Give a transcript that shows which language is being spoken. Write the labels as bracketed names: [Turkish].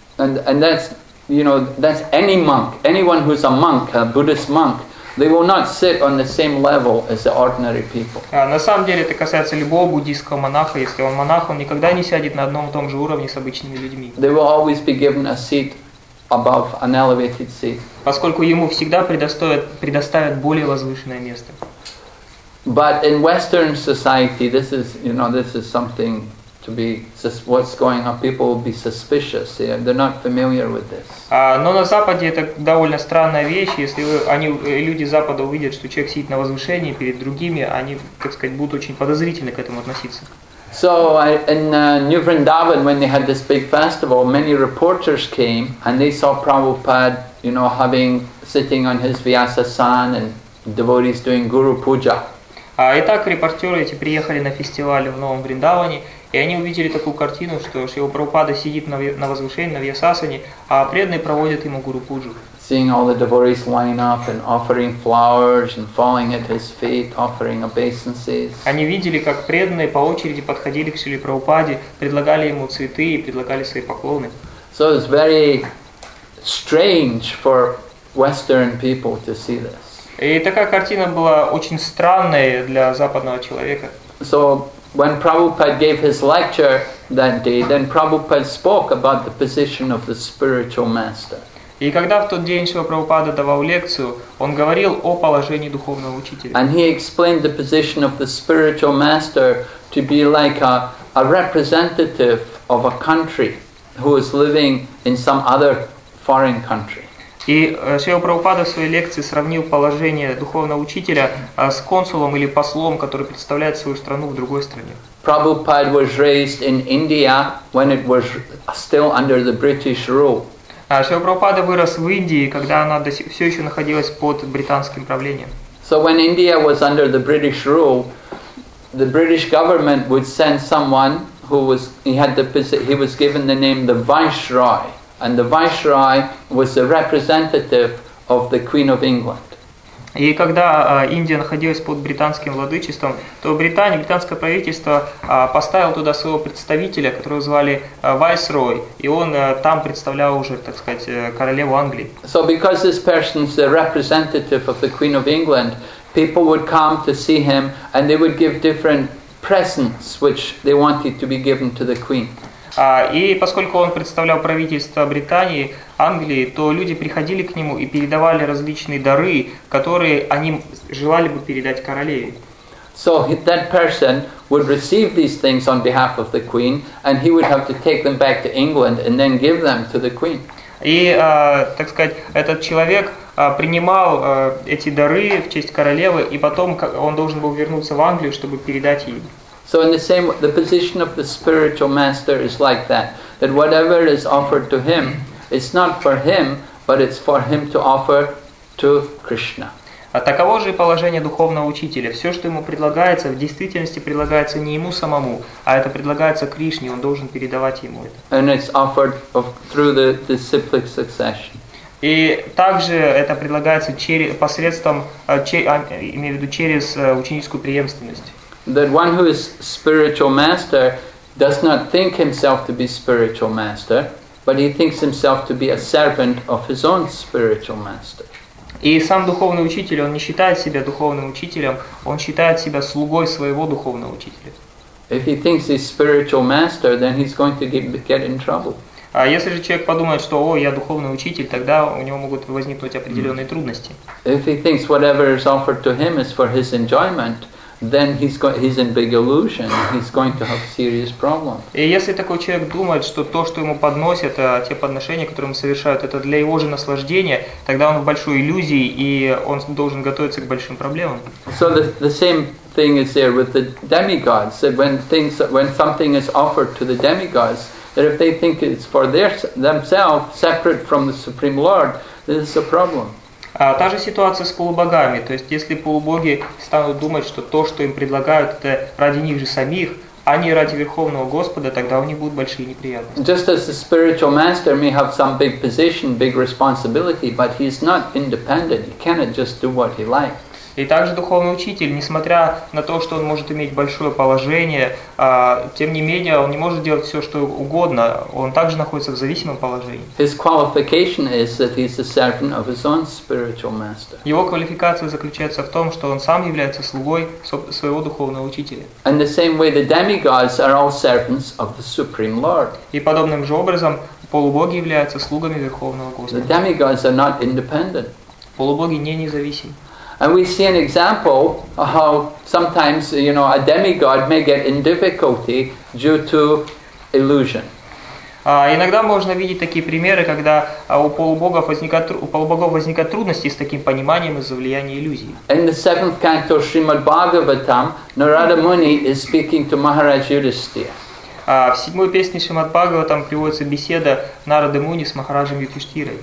[English] And that's, you know, that's any monk, anyone who's a monk, a Buddhist monk, they will not sit on the same level as the ordinary people. [Russian] На самом деле это касается любого буддийского монаха, если он монах, он никогда не сядет на одном и том же уровне с обычными людьми. [English] They will always be given a seat. Above an elevated seat. [Russian] Поскольку ему всегда предоставят более возвышенное место. [English] But in Western society, this is, you know, this is something to be. What's going on? People will be suspicious. They're not familiar with this. [Russian] Но на Западе это довольно странная вещь. Если люди Запада увидят, что человек сидит на возвышении перед другими, они, так сказать, будут очень подозрительно к этому относиться. [English] So in New Vrindavan, when they had this big festival, many reporters came and they saw Prabhupada, you know, sitting on his Vyasa-san and devotees doing Guru Puja. [Russian] Итак, репортеры эти приехали на фестиваль в Новом Вриндаване, и они увидели такую картину, что Шрила Прабхупада сидит на возвышении, на Вьясасане, а преданные проводят ему Гуру Пуджу. [English] Seeing all the devotees line up and offering flowers and falling at his feet, offering obeisances. [Russian] Они видели, как преданные по очереди подходили к Шриле Прабхупаде, предлагали ему цветы и предлагали свои поклоны. [English] So it's very strange for Western people to see this. [Russian] И такая картина была очень странной для западного человека. [English] So when Prabhupada gave his lecture that day, then Prabhupada spoke about the position of the spiritual master. [Russian] И когда в тот день Шрила Прабхупада давал лекцию, он говорил о положении духовного учителя. [English] And he explained the position of the spiritual master to be like a representative of a country who is living in some other foreign country. [Russian] И Шрила Прабхупада в своей лекции сравнил положение духовного учителя с консулом или послом, который представляет свою страну в другой стране. [English] Prabhupada was raised in India when it was still under the British rule. [Russian] Шрила Прабхупада вырос в Индии, когда она все еще находилась под британским правлением. [English] So when India was under the British rule, the British government would send someone who was he was given the name the Viceroy. And the Viceroy was the representative of the Queen of England. [Russian] И когда Индия находилась под британским владычеством, то британское правительство поставило туда своего представителя, которого звали Viceroy, и он там представлял уже, так сказать, королеву Англии. [English] So because this person is the representative of the Queen of England, people would come to see him, and they would give different presents which they wanted to be given to the Queen. [Russian] И поскольку он представлял правительство Британии, Англии, то люди приходили к нему и передавали различные дары, которые они желали бы передать королеве. [English] So that person would receive these things on behalf of the Queen, and he would have to take them back to England and then give them to the Queen. [Russian] И, так сказать, этот человек принимал эти дары в честь королевы, и потом он должен был вернуться в Англию, чтобы передать ей. [English] So in the same way, the position of the spiritual master is like that, that whatever is offered to him, it's not for him, but it's for him to offer to Krishna. [Russian] А таково же положение духовного учителя. Все, что ему предлагается, в действительности предлагается не ему самому, а это предлагается Кришне, он должен передавать ему это. [English] And it's offered through the cyclic succession. [Russian] И также это предлагается через ученическую преемственность. [English] That one who is spiritual master does not think himself to be spiritual master, but he thinks himself to be a servant of his own spiritual master. [Russian] И сам духовный учитель, он не считает себя духовным учителем, он считает себя слугой своего духовного учителя. [English] If he thinks he's spiritual master, then he's going to get in trouble. [Russian] А если же человек подумает, что, о, я духовный учитель, тогда у него могут возникнуть определенные трудности. [English] If he thinks whatever is offered to him is for his enjoyment, then he's in big illusion. He's going to have serious problems. [Russian] И если такой человек думает, что то, что ему подносят, те подношения, которые ему совершают, это для его же наслаждения, тогда он в большой иллюзии, и он должен готовиться к большим проблемам. [English] So the same thing is there with the demigods. That when something is offered to the demigods, that if they think it's for themselves, separate from the Supreme Lord, this is a problem. [Russian] Та же ситуация с полубогами, то есть если полубоги станут думать, что то, что им предлагают, это ради них же самих, а не ради Верховного Господа, тогда у них будут большие неприятности. [English] Just as the spiritual master may have some big position, big responsibility, but he is not independent, he cannot just do what he likes. [Russian] И также духовный учитель, несмотря на то, что он может иметь большое положение, тем не менее он не может делать все, что угодно. Он также находится в зависимом положении. [English] His qualification is that he is a servant of his own spiritual master. [Russian] Его квалификация заключается в том, что он сам является слугой своего духовного учителя. [English] And the same way the demigods are all servants of the Supreme Lord. [Russian] И подобным же образом полубоги являются слугами Верховного Господа. [English] The demigods are not independent. [Russian] Полубоги не независимы. [English] And we see an example of how sometimes, you know, a demigod may get in difficulty due to illusion. [Russian] Иногда можно видеть такие примеры, когда у полубогов возникают трудности с таким пониманием из-за влияния иллюзий. [English] In the seventh canto of Srimad Bhagavatam, Narada Muni is speaking to Maharaj Yudhisthira. [Russian] В седьмой песне Шримад Бхагаватам приводится беседа Нарады Муни с Махараджем Юдхиштхирой.